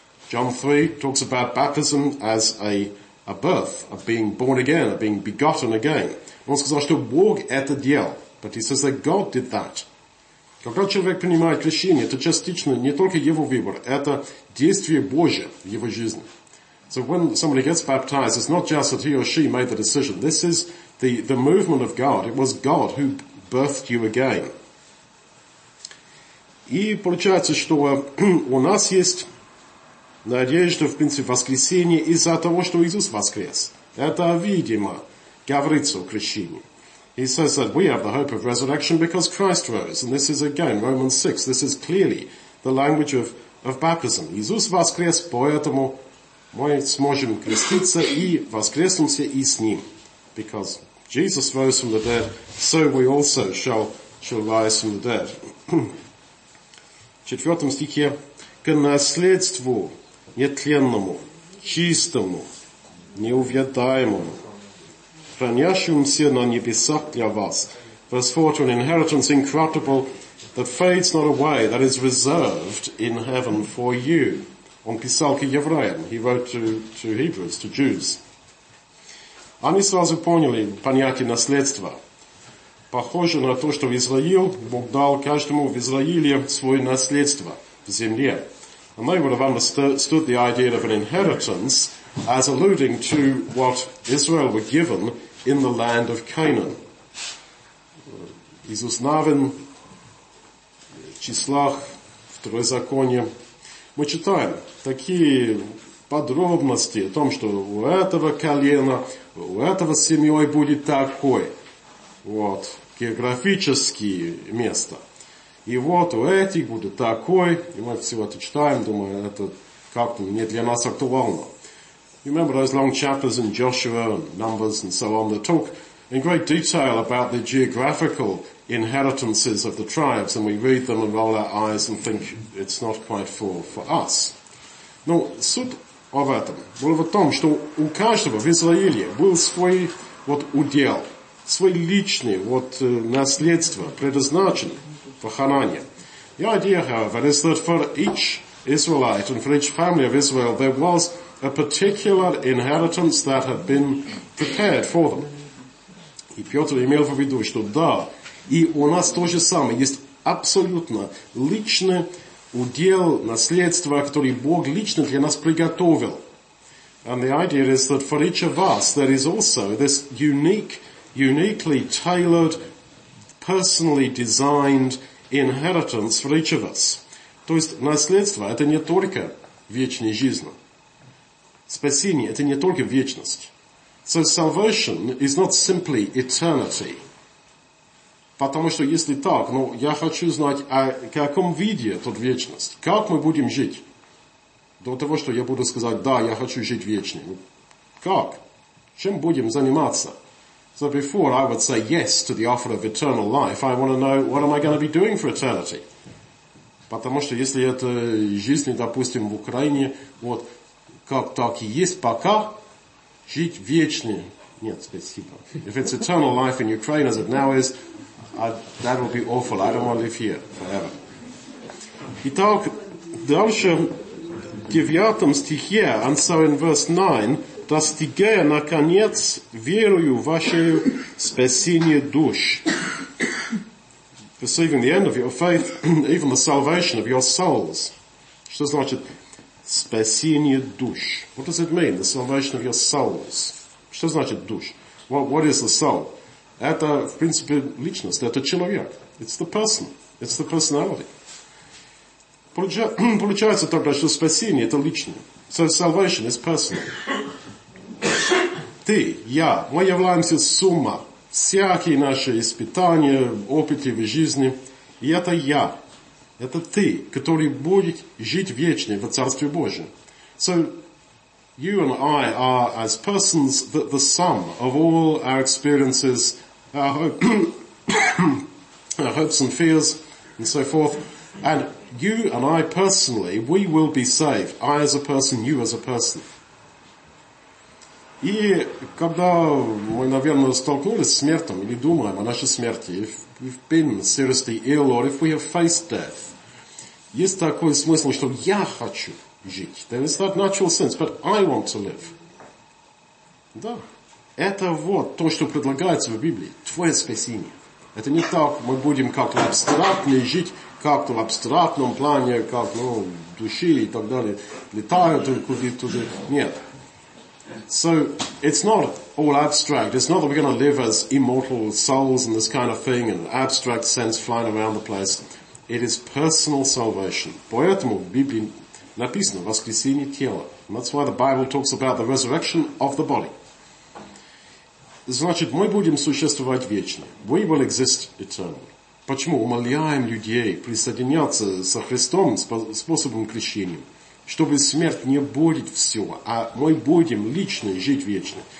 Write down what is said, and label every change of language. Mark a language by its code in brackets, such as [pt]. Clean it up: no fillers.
[en] John 3 talks about baptism as a birth, of being born again, of being begotten again. [ru] Он сказал, что Бог это делал, [en] but he says that God did that. [ru] Когда человек принимает крещение, это частично не только его выбор, это действие Божие в его жизни. [en] So when somebody gets baptized, it's not just that he or she made the decision. This is the movement of God. It was God who birthed you again. [ru] И получается, что у нас есть надежда в принципе воскресения из-за того, что Иисус воскрес. Это видимо говорится о крещении. [en] He says that we have the hope of resurrection because Christ rose. And this is again Romans 6. This is clearly the language of baptism. [ru] Иисус воскрес, поэтому мы сможем креститься и воскреснемся и с Ним. [en] Because Jesus rose from the dead, so we also shall rise from the dead. [ru] В четвертом стихе. К наследству нетленному, чистому, неувядаемому, хранящимся на небесах для вас. [en] Verse 4, to an inheritance incorruptible that fades not away, that is reserved in heaven for you. [ru] Он писал к евреям. [en] He wrote to Hebrews, to Jews. [ru] Они сразу поняли понятие наследства. Похоже на то, что в Израиле Бог дал каждому в Израиле свое наследство в земле. [en] And they would have understood the idea of an inheritance as alluding to what Israel were given in the land of Canaan. [ru] Иисус Навин, числах, второзаконие. Мы читаем такие подробности о том, что у этого колена, у этого семьей будет такое. Вот, географические места. И вот у этих будет такое. И мы все это читаем, думаю, это как-то не для нас актуально. [en] You remember those long chapters in Joshua and Numbers and so on that talk in great detail about the geographical inheritances of the tribes, and we read them and roll our eyes and think it's not quite for us. [ru] Но суть об этом была в том, что у каждого в Израиле был свой вот удел, свой личный вот наследство, предназначенное в Ханане. [en] The idea, however, is that for each Israelite and for each family of Israel there was a particular inheritance that had been prepared for them. [ru] И Петр имел в виду, что да, и у нас то же самое, есть абсолютно личный удел, наследство, который Бог лично для нас приготовил. [en] And the idea is that for each of us, there is also this unique, uniquely tailored, personally designed inheritance for each of us. [ru] То есть наследство, это не только вечная жизнь. Спасение – это не только вечность. [en] So salvation is not simply eternity. [ru] Потому что если так, ну, я хочу знать, о каком виде тут вечность, как мы будем жить. до того, что я буду сказать, да, я хочу жить вечно. Как? Чем будем заниматься? [en] So before I would say yes to the offer of eternal life, I want to know, what am I going to be doing for eternity? [ru] Потому что если это жизнь, допустим, в Украине, вот, как так и есть, пока жить вечно. Нет, спасибо. [en] If it's eternal life in Ukraine as it now is, that would be awful. I don't want to live here forever. [ru] Итак, дальше в 9 стихе, [en] and so in verse 9, [ru] достигая, наконец, верую вашу спасение душ. [en] Perceiving the end of your faith, even the salvation of your souls. [ru] Что значит спасение душ? [en] What does it mean, the salvation of your souls? [ru] Что значит душ? [en] What is the soul? [ru] Это, в принципе, личность, это человек. [en] It's the person, it's the personality. [ru] Получается тогда, что спасение – это личное. [en] So salvation is personal. [ru] Ты, я, мы являемся сумма всякие наши испытания, опыты в жизни. И это я, это ты, который будет жить вечно в Царстве Божьем. [en] So, you and I are, as persons, the sum of all our experiences, our hopes and fears, and so forth. And you and I personally, we will be saved. I as a person, you as a person. [ru] И когда мы, наверное, столкнулись с смертью, или думаем о нашей смерти, [en] if we've been seriously ill, or if we have faced death, [ru] есть такой смысл, что я хочу жить. [en] There is that natural sense, but I want to live. [ru] Да. Это вот то, что предлагается в Библии. Твое спасение. Это не так, мы будем как-то абстрактно жить, как-то в абстрактном плане, как, ну, души и так далее, летают куда-то. Нет. [en] So it's not all abstract. It's not that we're going to live as immortal souls and this kind of thing in an abstract sense flying around the place. It is personal salvation. [ru] Поэтому в Библии написано воскресение тела. [en] That's why the Bible talks about the resurrection of the body. [ru] Значит, мы будем существовать вечно. [en] We will exist eternally. [ru] Почему? Умоляем людей присоединяться со Христом способом крещения. Чтобы смерть не будет все, а мы будем лично жить вечно.